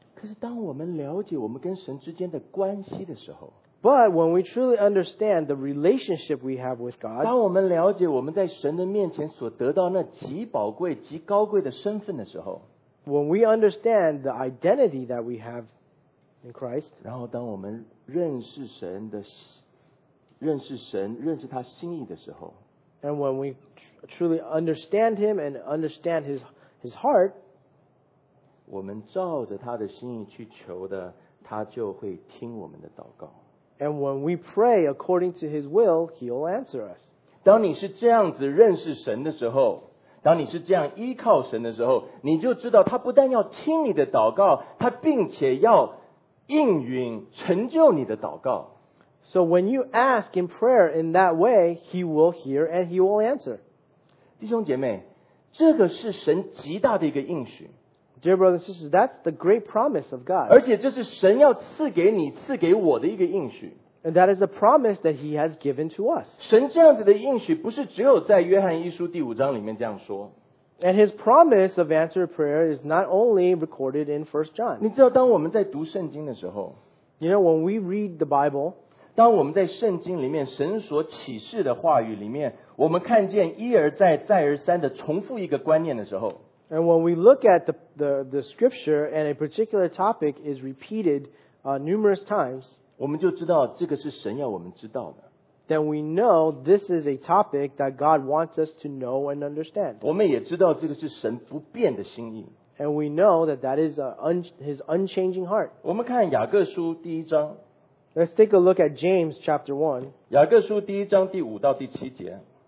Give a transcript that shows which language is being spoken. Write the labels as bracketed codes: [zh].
[zh] 可是当我们了解我们跟神之间的关系的时候， [en] But when we truly understand the relationship we have with God, [zh] 当我们了解我们在神的面前所得到那极宝贵、极高贵的身份的时候， [en] When we understand the identity that we have in Christ, [zh] 然后当我们认识神的、认识神、认识他心意的时候， [en] And when we truly understand him and understand his heart, [zh] 我们照着他的心意去求的，他就会听我们的祷告。 [en] And when we pray according to his will, he'll answer us. [zh] 当你是这样子认识神的时候，当你是这样依靠神的时候，你就知道他不但要听你的祷告，他并且要应允成就你的祷告。 [en] So when you ask in prayer in that way, he will hear and he will answer. [zh] 弟兄姐妹，这个是神极大的一个应许。 [en] Dear brothers and sisters, that's the great promise of God. [zh] 而且这是神要赐给你、赐给我的一个应许。 [en] And that is a promise that he has given to us. [zh] 神这样子的应许不是只有在约翰一书第五章里面这样说。 [en] And his promise of answered prayer is not only recorded in 1 John. [zh] 你知道当我们在读圣经的时候， [en] You know, when we read the Bible, [zh] 当我们在圣经里面神所启示的话语里面，我们看见一而再、再而三的重复一个观念的时候， [en] And when we look at the scripture and a particular topic is repeated numerous times, [zh] 我们就知道这个是神要我们知道的。 [en] Then we know this is a topic that God wants us to know and understand. [zh] 我们也知道这个是神不变的心意。 [en] And we know that that is his unchanging heart. [zh] 我们看雅各书第一章。 [en] Let's take a look at James chapter 1. [zh] 雅各书第一章第五到第七节。